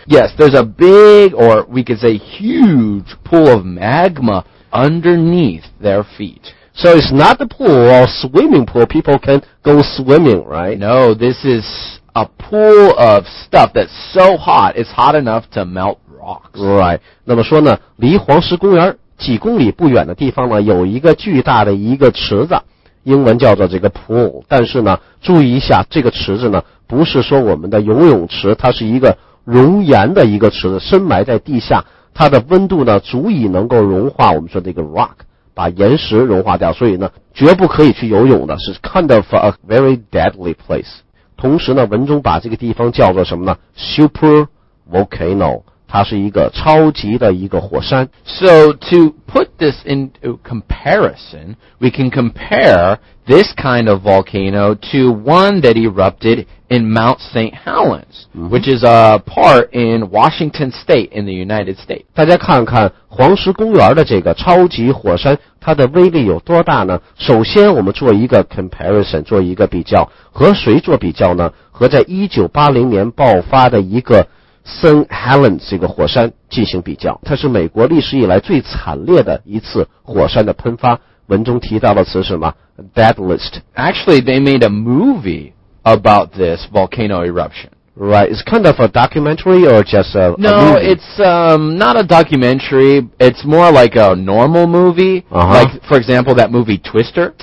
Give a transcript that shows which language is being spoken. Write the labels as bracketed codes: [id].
[en] Yes, there's a big, or we could say huge, pool of magma underneath their feet. So it's not the pool or swimming pool. People can go swimming, right? No, this is a pool of stuff that's so hot, it's hot enough to melt rocks. Right. [zh] 那么说呢，离黄石公园几公里不远的地方呢，有一个巨大的一个池子。英文叫做这个 pool， 但是呢，注意一下，这个池子呢，不是说我们的游泳池，它是一个熔岩的一个池子，深埋在地下，它的温度呢，足以能够融化我们说这个 rock， 把岩石融化掉，所以呢，绝不可以去游泳的，是 [en] kind of a very deadly place。 [zh] 同时呢，文中把这个地方叫做什么呢 ？Super volcano， 它是一个超级的一个火山。 [en] So to put this in comparison, we can compare this kind of volcano to one that erupted in Mount St. Helens, mm-hmm. which is a part in Washington State in the United States. [zh] 大家看看黄石公园的这个超级火山，它的威力有多大呢？首先，我们做一个 comparison， 做一个比较，和谁做比较呢？和在1980年爆发的一个St. Helens 这个火山进行比较，它是美国历史以来最惨烈的一次火山的喷发。文中提到的词是什么 ？Deadliest. [en] Actually, they made a movie about this volcano eruption. Right. It's kind of a documentary or just a movie? No, it's not a documentary. It's more like a normal movie. Uh-huh. Like, for example, that movie Twister.